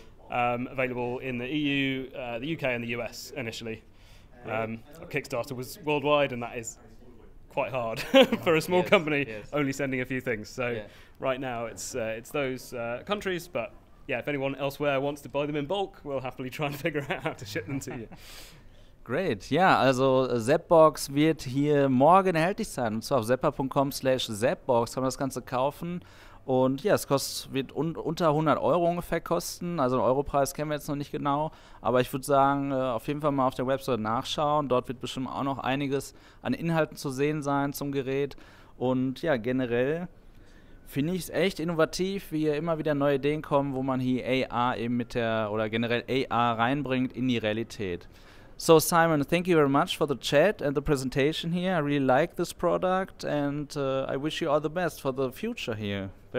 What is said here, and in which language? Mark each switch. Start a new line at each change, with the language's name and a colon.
English: Available in the EU, the UK and the US initially. Kickstarter was worldwide and that is quite hard for a small company only sending a few things. So right now it's those countries, but yeah, if anyone elsewhere wants to buy them in bulk, we'll happily try and figure out how to ship them to you.
German: Great, ja, also Zappbox wird hier morgen erhältlich sein, und zwar auf zappar.com/zappbox kann man das Ganze kaufen und ja, es wird unter 100 Euro ungefähr kosten, also den Europreis kennen wir jetzt noch nicht genau, aber ich würde sagen, auf jeden Fall mal auf der Website nachschauen, dort wird bestimmt auch noch einiges an Inhalten zu sehen sein zum Gerät und ja, generell finde ich es echt innovativ, wie hier immer wieder neue Ideen kommen, wo man hier AR eben mit der, oder generell AR reinbringt in die Realität.
English: So, Simon, thank you very much for the chat and the presentation here. I really like this product, and I wish you all the best for the future here.